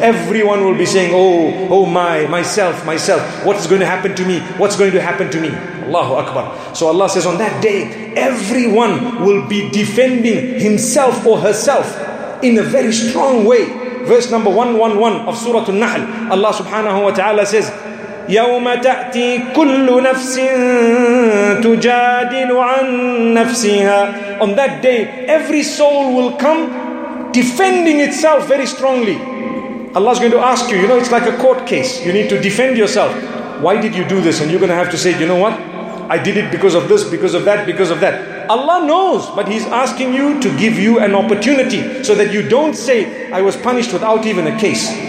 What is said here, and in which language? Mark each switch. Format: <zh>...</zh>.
<en>Everyone will be saying, myself, what's going to happen to me? What's going to happen to me? Allahu Akbar. So Allah says on that day, everyone will be defending himself or herself in a very strong way. Verse number 111 of Surah An-Nahl. Allah subhanahu wa ta'ala says,</en> <ar>يَوْمَ تَأْتِي كُلُّ نَفْسٍ تُجَادِلُ عَن نَفْسِهَا.</ar> <en>On that day, every soul will come defending itself very strongly. Allah's going to ask you, you know, it's like a court case. You need to defend yourself. Why did you do this? And you're going to have to say, you know what? I did it because of this, because of that, because of that. Allah knows, but He's asking you to give you an opportunity so that you don't say, I was punished without even a case.</en>